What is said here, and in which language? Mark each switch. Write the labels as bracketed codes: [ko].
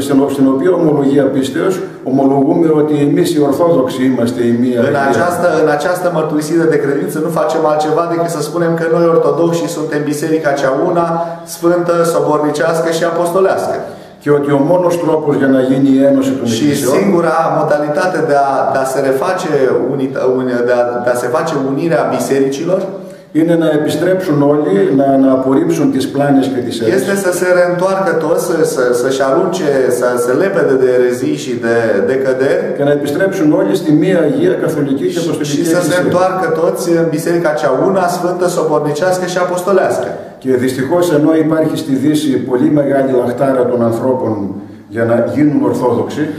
[el] Στην οποία ομολογία πίστεως ομολογούμε ότι εμείς οι Ορθόδοξοι είμαστε η μία Αγία. [ro] În această mărturisire de credință nu facem altceva decât să spunem că noi Ορθόδοξοι suntem Biserica cea una, Sfântă, Sobornicească și Apostolească. [el] Και ότι ο μόνος τρόπος για να γίνει η ένωση των εκκλησιών, [ro] singura modalitate de a se reface de a se face unirea bisericilor, [el] είναι να επιστρέψουν όλοι, να απορρίψουν τις πλάνες και τις αιρέσεις. [ro] Este să se reîntoarcă toți, să se arunce, să se lepede de ερεζίες și de căderi. [el] Και να επιστρέψουν όλοι στη μία Αγία Καθολική και Αποστολική Εκκλησία. [ro] Și să se întoarcă toți în Biserica cea una, Sfântă, Sobornicească și Apostolească. [el] Και δυστυχώς ενώ υπάρχει στη Δύση πολύ μεγάλη λαχτάρα των ανθρώπων για να γίνουν Ορθόδοξοι.